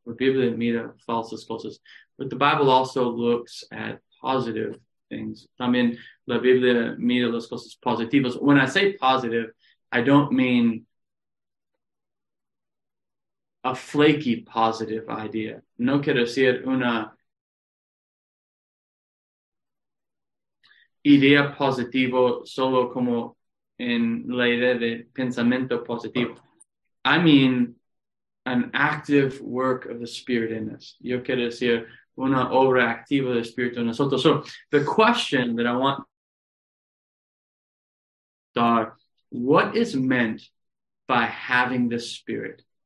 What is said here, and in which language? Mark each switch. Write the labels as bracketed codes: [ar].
[es] La Biblia mira falsas cosas, [en] but the Bible also looks at positive things. [es] También la Biblia mira las cosas positivas. [en] When I say positive, I don't mean a flaky positive idea. [es] No quiero decir una idea positivo solo como en la idea de pensamiento positivo. [en] I mean an active work of the Spirit in us. [es] Yo quiero decir una obra activa del Espíritu en nosotros. [en] So the question that I want to ask, what is meant by having the Spirit?